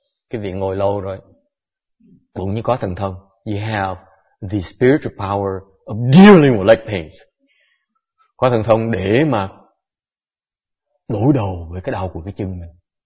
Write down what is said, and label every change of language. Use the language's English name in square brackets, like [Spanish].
[Vietnamese] Cái vị ngồi lâu rồi cũng như có thần thông. [English] You have the spiritual power of dealing with leg pains. [Vietnamese] Có thần thông để mà đối đầu với cái đau của cái chân mình.